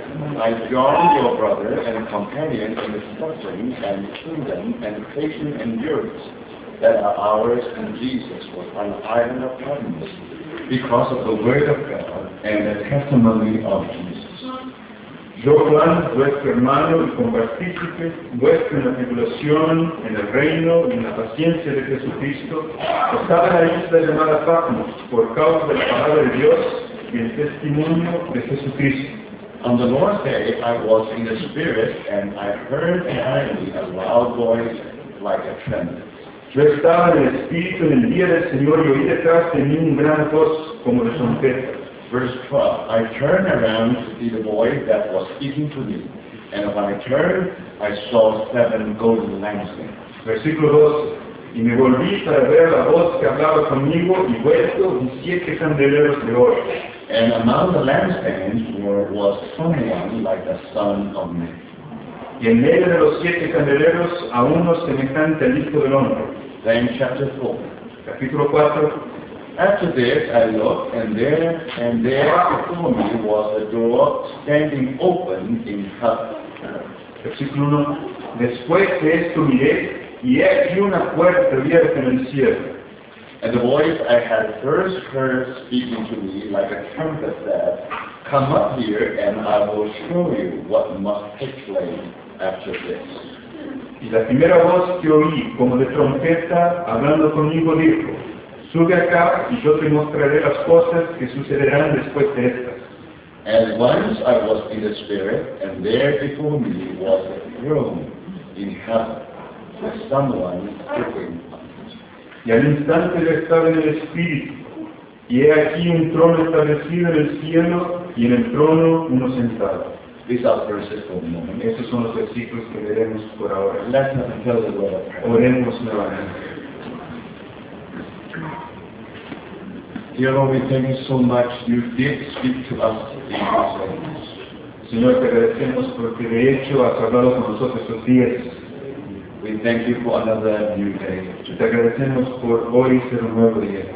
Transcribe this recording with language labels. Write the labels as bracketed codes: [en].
[en] I John, your brother and companion in the suffering and kingdom and patient endurance that are ours in Jesus, was on the island of Patmos because of the word of God and the testimony of Jesus. [es] Yo, Juan, vuestro hermano y compartícipe vuestro en la tribulación, en el reino y en la paciencia de Jesucristo, estaba en la isla llamada Patmos por causa de la palabra de Dios y el testimonio de Jesucristo. [en] On the Lord's day, I was in the Spirit, and I heard behind me a loud voice like a trumpet. [es] Yo estaba en el Espíritu en el día del Señor, y oí detrás de mí un gran voz como de trompeta. [en] Verse 12, I turned around to see the voice that was speaking to me, and when I turned, I saw seven golden lampstands. [es] Versículo 12, y me volví para ver la voz que hablaba conmigo, y vuelto, y siete candeleros de oro. [en] And among the lampstands was someone like the Son of Man. [es] Y en medio de los siete candeleros, a uno semejante al Hijo del Hombre. [en] Then chapter 4. [es] Capítulo 4. [en] After this, I looked, and there before me was a door standing open in heaven. [es] Versículo 1. Después de esto miré, y he aquí una puerta abierta en el cielo. [en] And the voice I had first heard speaking to me like a trumpet said, come up here and I will show you what must take place after this. [es] Y la primera voz que oí como de trompeta hablando conmigo dijo, sube acá y yo te mostraré las cosas que sucederán después de estas. [en] And once I was in the Spirit, and there before me was a throne in heaven with someone sitting. [es] Y al instante yo estaba en el Espíritu, y he aquí un trono establecido en el cielo, y en el trono uno sentado. [en] These are verses for the moment. [es] Estos son los versículos que veremos por ahora. [en] Let us tell the word. [es] Oremos nuevamente. [en] Dear Lord, we thank you so much. You did speak to us in our sermons. [es] Señor, te agradecemos porque de hecho has hablado con nosotros estos días. [en] We thank you for another new day. [es] Te agradecemos por hoy ser un nuevo día.